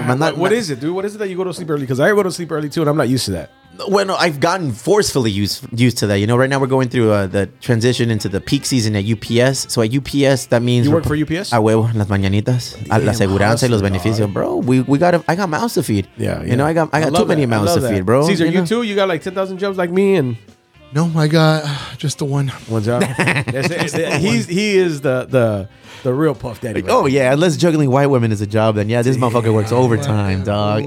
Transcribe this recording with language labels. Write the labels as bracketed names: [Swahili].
[English] What is it that you go to sleep early? Because I go to sleep early too, and I'm not used to that. Well, I've gotten forcefully used to that. You know, right now we're going through the transition into the peak season at UPS. So at UPS, that means you work for UPS. [Spanish] A huevo, las mañanitas, la seguridad y los beneficios, bro. [English] I got mouths to feed. Yeah. You know, I got too many mouths to feed, bro. Caesar, you too. You got like 10,000 jobs like me and. No, I got just the one. One job. he is the real Puff Daddy. Oh yeah, unless juggling white women is a job, then yeah, this motherfucker works overtime, dog.